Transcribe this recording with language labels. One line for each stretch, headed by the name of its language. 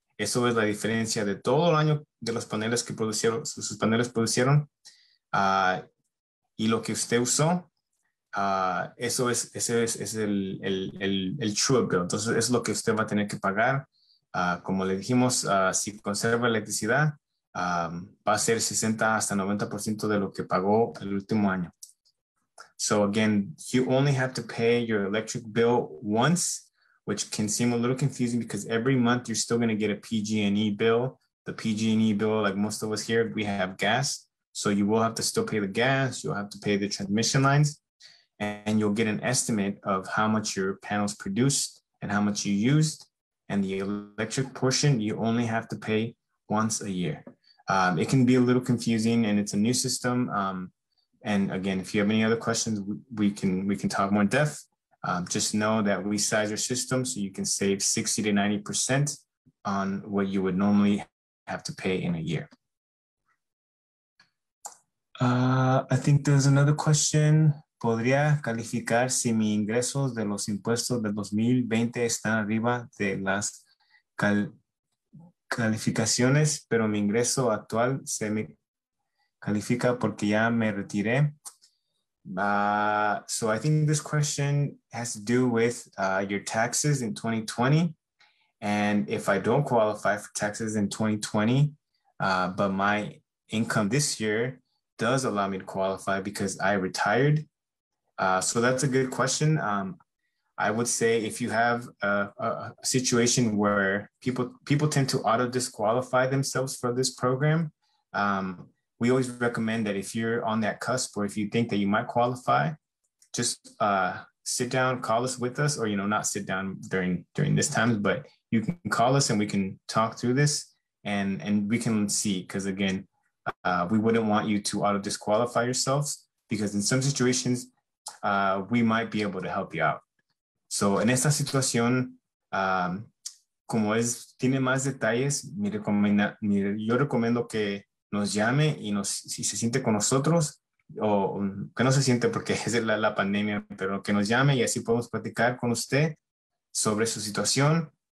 Spanish: Eso es la diferencia de todo el año de los paneles que producieron, sus paneles producieron, y lo que usted usó, eso es el true up bill. Entonces, es lo que usted va a tener que pagar. Como le dijimos, si conserva electricidad, va a ser 60 hasta 90% de lo que pagó el último año.
English: So again, you only have to pay your electric bill once, which can seem a little confusing because every month you're still going to get a PG&E bill. The PG&E bill, like most of us here, we have gas. So you will have to still pay the gas. You'll have to pay the transmission lines and you'll get an estimate of how much your panels produced and how much you used. And the electric portion, you only have to pay once a year. It can be a little confusing and it's a new system. And again, if you have any other questions, we can talk more in depth. Just know that we size your system so you can save 60 to 90% on what you would normally have to pay in a year. I think there's another question.
Spanish: ¿Podría calificar si mi ingresos de los impuestos de 2020 están arriba de las calificaciones, pero mi ingreso actual se me califica porque ya me retiré?
English: So I think this question has to do with your taxes in 2020. And if I don't qualify for taxes in 2020, but my income this year does allow me to qualify because I retired. So that's a good question. I would say if you have a situation where people tend to auto disqualify themselves for this program, we always recommend that if you're on that cusp or if you think that you might qualify, just sit down, call us with us, or, you know, not sit down during this time, but you can call us and we can talk through this and we can see, because again, we wouldn't want you to auto disqualify yourselves, because in some situations, we might be able to help you out.
Spanish: So en esta situación, como es, tiene más detalles, yo recomiendo que nos llame y nos, si se siente con nosotros, o que no se siente porque es la pandemia, pero que nos llame y así podemos platicar con usted sobre su situación.